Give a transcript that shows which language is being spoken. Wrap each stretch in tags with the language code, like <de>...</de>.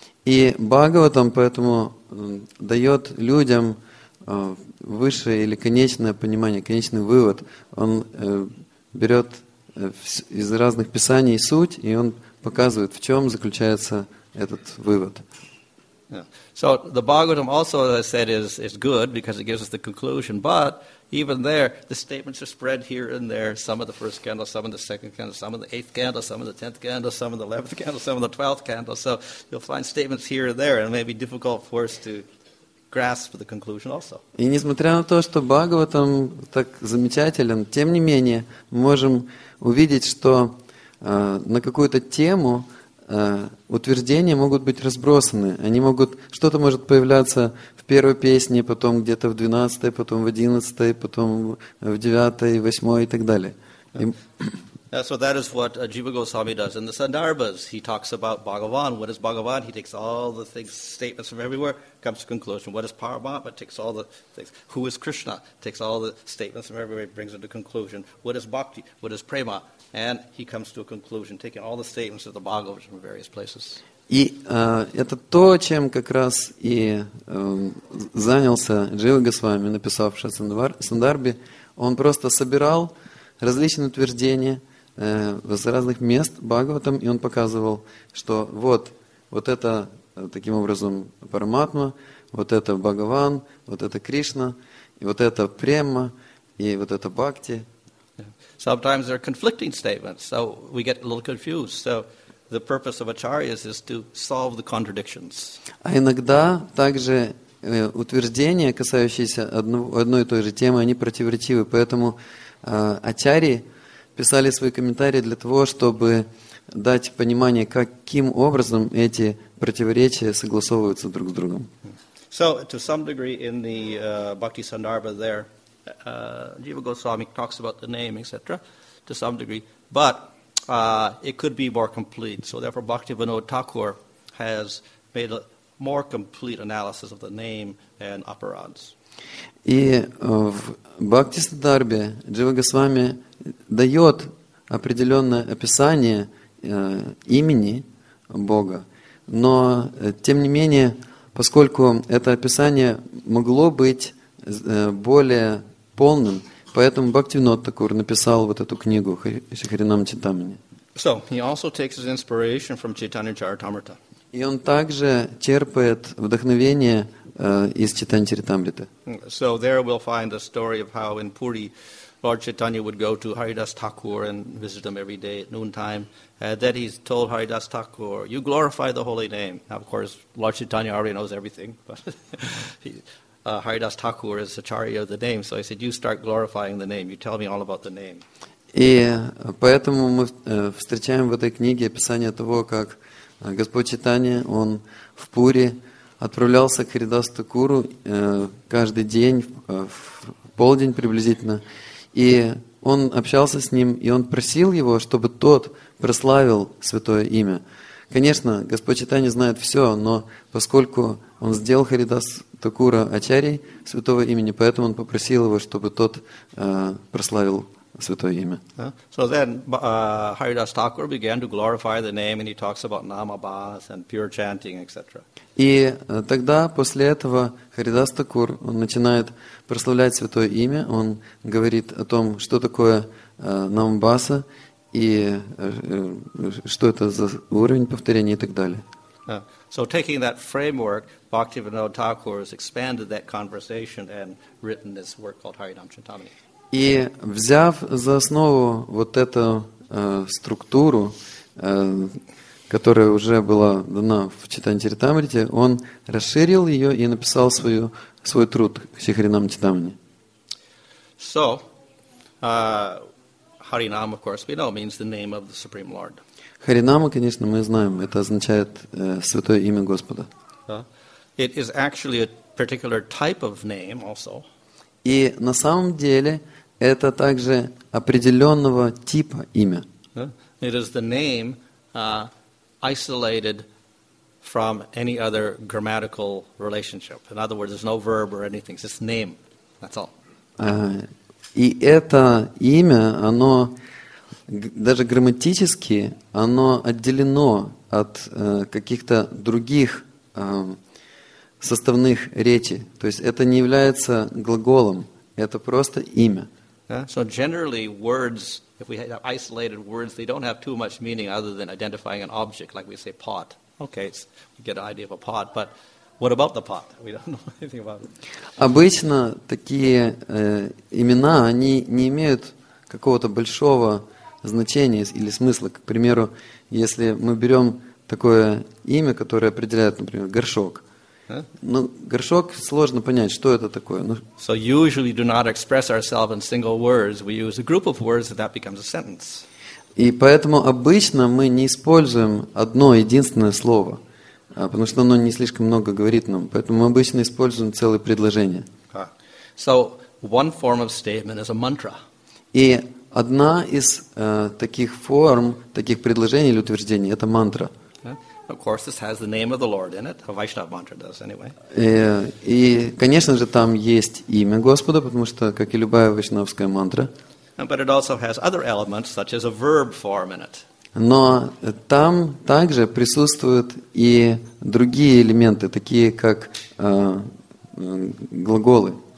<ru>И Бхагаватам поэтому дает людям высшее или конечное понимание, конечный вывод. Он берет из разных писаний суть, и он показывает, в чем заключается этот вывод.</ru> <en>So the Bhagavatam also, as I said, is good because it gives us the conclusion, but even there, the statements are spread here and there. Some of the first candle, some of the second candle, some of the eighth candle, some of the tenth candle, some of the 11th candle, some of the 12th candle. So you'll find statements here and there, and it may be difficult for us to grasp the conclusion also.</en> <ru>И несмотря на то, что Бхагаватам так замечателен, тем не менее, мы можем увидеть, что на какую-то тему утверждения могут быть разбросаны. Они могут, что-то может появляться в первой песне, потом где-то в двенадцатой, потом в одиннадцатой, потом в девятой, восьмой и так далее.</ru> <en>So that is what Jiva Goswami does in the Sandarbhas. He talks about Bhagavan. What is Bhagavan? He takes all the things, statements from everywhere, comes to conclusion. What is Paramatma? Takes all the things. Who is Krishna? Takes all the statements from everywhere, brings it to conclusion. What is Bhakti? What is Prema? And he comes to a conclusion, taking all the statements of the Bhagavad from various places.</en> <ru>И это то, чем как раз и занялся Джива Госвами, написавший Сандарбхи. Он просто собирал различные утверждения из разных мест Бхагаватам, и он показывал, что вот, вот это таким образом Параматма, вот это Бхагаван, вот это Кришна, и вот это Према, и вот это Бхакти.</ru> <en>Sometimes there are conflicting statements, so we get a little confused. So the purpose of acharyas is to solve the contradictions.</en> <ru>А иногда также утверждения, касающиеся одной и той же темы, они противоречивы, поэтому ачарьи писали свои комментарии для того, чтобы дать понимание, каким образом эти противоречия согласовываются друг с другом.</ru> <en>So, to some degree, in the Bhakti Sandarbha there, Jiva Goswami talks about the name, etc., to some degree, but it could be more complete. So, therefore, Bhaktivinoda Thakur has made a more complete analysis of the name and operands.</en> <ru>И в Бхактисиддхарте Джива Госвами дает определенное описание имени Бога, но тем не менее, поскольку это описание могло быть более полным, поэтому Бхактивинода Такур написал вот эту книгу Шихаринам Читамани.</ru> <en>So he also takes his inspiration from Chaitanya Charitamrita.</en> <ru>И он также черпает вдохновение из Чайтаньи Чаритамриты.</ru> <en>So there we'll find the story of how in Puri Lord Chaitanya would go to Haridas Thakur and visit him every day at noontime. Then he's told Haridas Thakur, you glorify the holy name. Now, of course, Lord Chaitanya already knows everything, but Haridas Thakur is acharya of the name. So he said, you start glorifying the name. You tell me all about the name.</en> <ru>И поэтому мы встречаем в этой книге описание того, как Господь Чайтанья, он в Пури отправлялся к Харидасу Такуру каждый день, в полдень приблизительно, и он общался с ним, и он просил его, чтобы тот прославил святое имя. Конечно, Господь Чайтанья знает все, но поскольку он сделал Харидасу Такура ачарьей святого имени, поэтому он попросил его, чтобы тот прославил святое имя.</ru> <en>So then Haridas Thakur began to glorify the name, and he talks about namabhas and pure chanting, etc.</en> <ru>И тогда, после этого, Харидас Такур, он начинает прославлять святое имя, он говорит о том, что такое намабаса, и что это за уровень повторения, и так далее.</ru> <en>So taking that framework, Bhaktivinoda Thakur has expanded that conversation and written this work called Haridam Chintamani.</en> <ru>И взяв за основу вот эту структуру, которая уже была дана в Чайтанья Чаритамрите, он расширил ее и написал свой труд Шихаринам Читамани.</ru> <en>So, Харинам, of course, we know, means the name of the Supreme Lord.</en> <ru>Харинама, конечно, мы знаем, это означает святое имя Господа.</ru> <en>It is actually a particular type of name also.</en> <ru>И на самом деле это также определенного типа имя.</ru> <en>It is the name isolated from any other grammatical relationship. In other words, there's no verb or anything. It's just name. That's all.</en> <ru>И это имя, оно даже грамматически, оно отделено от каких-то других составных речи. То есть это не является глаголом, это просто имя.</ru> <en>So generally words, if we have isolated words, they don't have too much meaning other than identifying an object, like we say pot. Okay, we get an idea of a pot, but what about the pot? We don't know anything about it.</en> <ru>Обычно такие имена, они не имеют какого-то большого значения или смысла. К примеру, если мы берем такое имя, которое определяет, например, горшок. Ну, горшок, сложно понять, что это такое. Ну,</ru> <en>so usually do not express ourselves in single words. We use a group of words and that becomes a sentence.</en> <ru>И поэтому обычно мы не используем одно единственное слово, потому что оно не слишком много говорит нам. Поэтому мы обычно используем целые предложения.</ru> <en>So one form of statement is a mantra.</en> <ru>И одна из таких форм, таких предложений или утверждений, это мантра.</ru> <en>Of course, this has the name of the Lord in it. A Vaishnava mantra does, anyway.</en> <ru>И, конечно же, там есть имя Господа, потому что, как и любая вайшнавская мантра.</ru> <en>But it also has other elements, such as a verb form in it.</en> <ru>Но там также присутствуют и другие элементы, такие как глаголы.</ru>